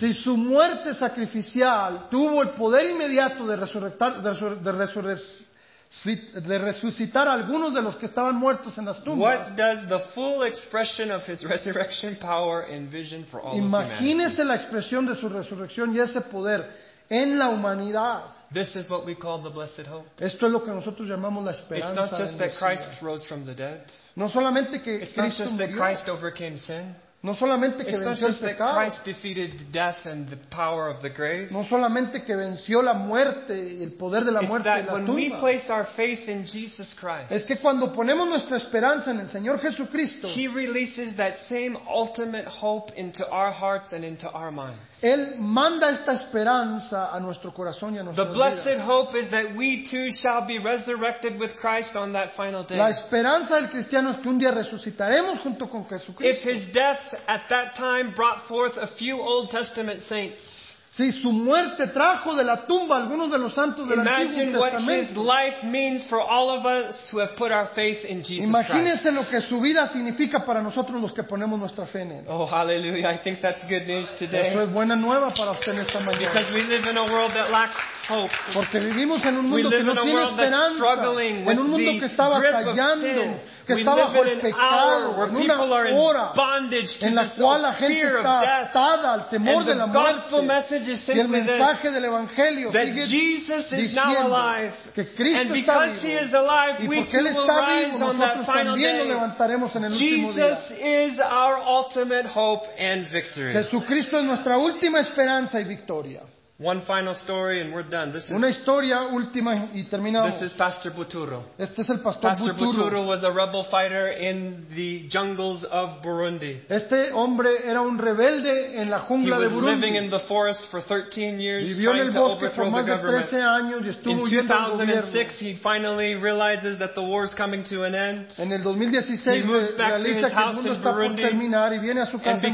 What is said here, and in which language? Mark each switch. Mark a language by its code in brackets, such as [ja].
[es] Si su muerte sacrificial tuvo el poder inmediato de resucitar a algunos de los que estaban muertos en las tumbas. [en] What does the full expression of his resurrection power envision for all of humanity? [es] Imagínese la expresión de su resurrección y ese poder en la humanidad. [en] This is what we call the blessed hope. [es] Esto es lo que nosotros llamamos la esperanza. [en] It's not just that Christ rose from the dead. [es] No solamente que Cristo murió. [en] It's not just that Christ overcame sin. [es] No solamente que venció el pecado. [en] It's not just that Christ defeated death and the power of the grave. [es] No solamente que venció la muerte y el poder de la muerte y la tumba. [en] It's that when we place our faith in Jesus Christ. [es] Es que cuando ponemos nuestra esperanza en el Señor Jesucristo. [en] He releases that same ultimate hope into our hearts and into our minds. [es] Él manda esta esperanza a nuestro corazón y a nuestra vida. [en] The blessed hope is that we too shall be resurrected with Christ on that final day. [es] La esperanza del cristiano es que un día resucitaremos junto con Jesucristo. [en] If his death at that time brought forth a few Old Testament saints. [es] Si su muerte trajo de la tumba algunos de los santos del Antiguo Testamento. Imagínense lo que su vida significa para nosotros los que ponemos nuestra fe en él. [en] Oh, hallelujah. I think that's good news today. [es] Eso es buena nueva para usted esta mañana. [en] Because we live in a world that lacks hope. [es] Porque vivimos en un mundo que no tiene esperanza, en un mundo que está batallando, que está bajo el pecado, en una hora en la cual la gente está atada al temor de la muerte. Y el mensaje del Evangelio sigue diciendo que Cristo está vivo y porque Él está vivo nosotros también lo levantaremos en el último día. Jesucristo es nuestra última esperanza y victoria. [en] One final story and we're done. This is [es] una historia última y terminamos. [en] This is Pastor Buturo. [es] Este es el Pastor Buturo. [en] Pastor Buturo was a rebel fighter in the jungles of Burundi. [es] Este hombre era un rebelde en la jungla de Burundi. [en] He was living in the forest for 13 years trying to overthrow the government. [es] Vivió en el bosque por más de 13 años y estuvo huyendo del gobierno. [en] In 2006 he finally realizes that the war is coming to an end. [es] En el 2016 realiza que el mundo está por terminar y viene a su casa en